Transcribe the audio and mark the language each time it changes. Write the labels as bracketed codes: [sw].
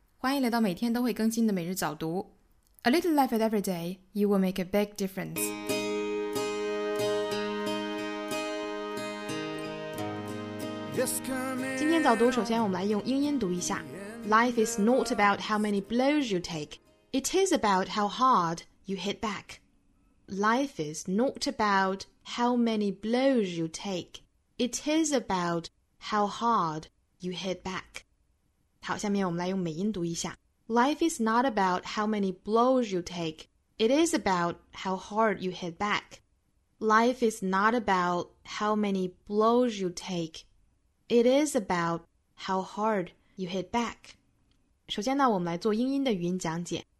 [zh] 欢迎来到每天都会更新的每日早读。 [en] A little life at every day, you will make a big difference. [zh] Yes, 今天早读首先我们来用英音读一下。 [en] Life is not about how many blows you take. It is about how hard you hit back. Life is not about how many blows you take. It is about how hard you hit back. [zh] 好，下面我们来用美音读一下。 [en] Life is not about how many blows you take. It is about how hard you hit back. Life is not about how many blows you take. It is about how hard you hit back. [zh] 首先呢，我们来做英音的语音讲解。